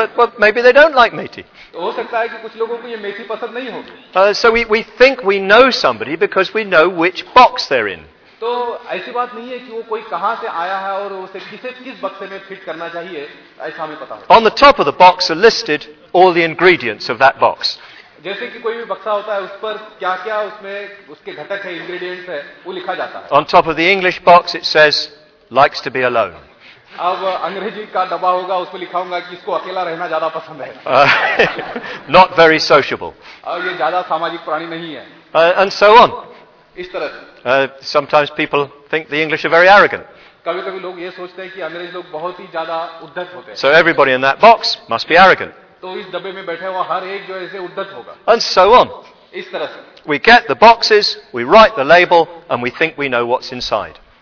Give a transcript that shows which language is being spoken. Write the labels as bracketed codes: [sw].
[en] But maybe they don't like methi. So we think we know somebody because we know which box they're in. On the top of the box are listed all the ingredients of that box. [hi] जैसे कि कोई भी बक्सा होता है उस पर क्या-क्या उसमें उसके घटक है इंग्रेडिएंट्स है वो लिखा जाता है. [en] On top of the English box it says likes to be alone. [hi] अब अंग्रेजी का डब्बा होगा उसमें लिखा होगा कि इसको अकेला रहना ज्यादा पसंद है. [en] Not very sociable. [hi] और ये ज्यादा सामाजिक प्राणी नहीं है. [en] And so on. [hi] इस तरह से. [en] Sometimes people think the English are very arrogant. [hi] कभी-कभी लोग ये सोचते हैं कि अंग्रेज लोग बहुत ही ज्यादा उद्धत होते हैं. [en] So everybody in that box must be arrogant. And so on. We get the boxes, we write the label, and we think we know what's inside.